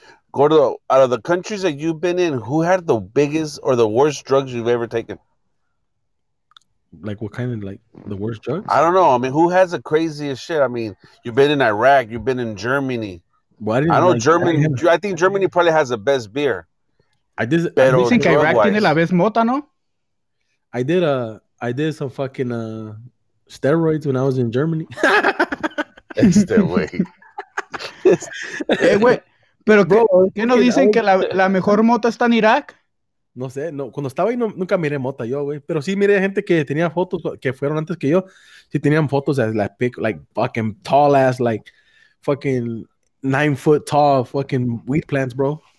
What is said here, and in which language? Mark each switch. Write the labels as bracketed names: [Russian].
[English] Gordo, out of the countries that you've been in, who had the biggest or the worst drugs you've ever taken? Like what kind of, like, the worst drugs? I don't know. I mean, who has the craziest shit? I mean, you've been in Iraq, you've been in Germany, I think Germany probably has the best beer. [Spanish] Dicen que Iraq tiene la best mota, ¿no? [English] I did some fucking steroids when I was in Germany. [Spanish] Este güey. Güey, pero bro, ¿qué nos dicen que la mejor mota está en Irak? No sé, no, cuando estaba ahí nunca miré mota yo, güey, pero sí miré gente que tenía fotos que fueron antes que yo. Sí tenían fotos de las pic, [English] like fucking tall ass, like fucking 9 foot tall fucking weed plants, bro.